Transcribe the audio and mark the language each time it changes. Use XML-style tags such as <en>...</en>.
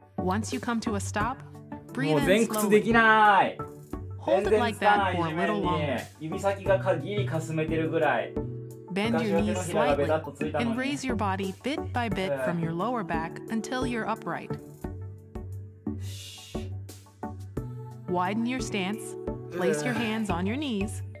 <en>Once you come to a stop, breathe in slowly.</en> <ja>もう前屈できない。</ja> <en>Hold it like that for a little longer.</en> <ja>指先がかぎりかすめてるぐらい。</ja> <en>Bend your knees slightly and raise your body bit by bit from your lower back until you're upright. Widen your stance, place your hands on your knees.</en>